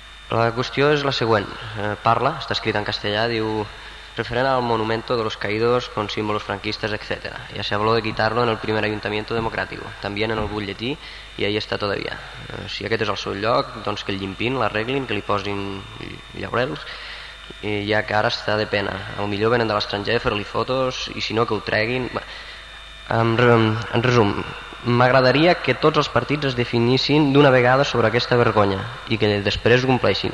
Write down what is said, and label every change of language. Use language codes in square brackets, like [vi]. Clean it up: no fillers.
[ca] La qüestió és la següent. Parla, està escrit en castellà, diu... referent al [es] monumento de los caídos con símbolos franquistas, etc. Ya se habló de quitarlo en el primer ayuntamiento democrático, también en el butlletí, y ahí está todavía. [ca] Si aquest és el seu lloc, doncs que el llimpin, l'arreglin, que li posin llaurels, i ja que ara està de pena. Al millor venen de l'estranger a fer-li fotos, i si no, que ho treguin. En resum, m'agradaria que tots els partits es definissin d'una vegada sobre aquesta vergonya i que després ho compleixin.